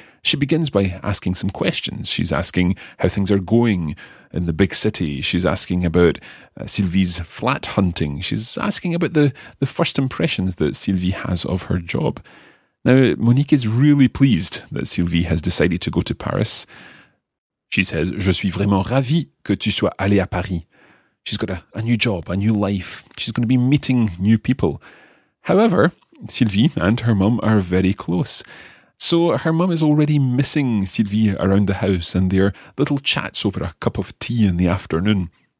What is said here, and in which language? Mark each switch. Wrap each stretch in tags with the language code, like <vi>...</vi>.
<en>She begins by asking some questions. She's asking how things are going in the big city. She's asking about Sylvie's flat hunting. She's asking about the first impressions that Sylvie has of her job. Now, Monique is really pleased that Sylvie has decided to go to Paris. She says,</en> <fr>"Je suis vraiment ravie que tu sois allé à Paris."</fr> <en>She's got a new job, a new life. She's going to be meeting new people. However, Sylvie and her mum are very close. So her mum is already missing Sylvie around the house and their little chats over a cup of tea in the afternoon.</en>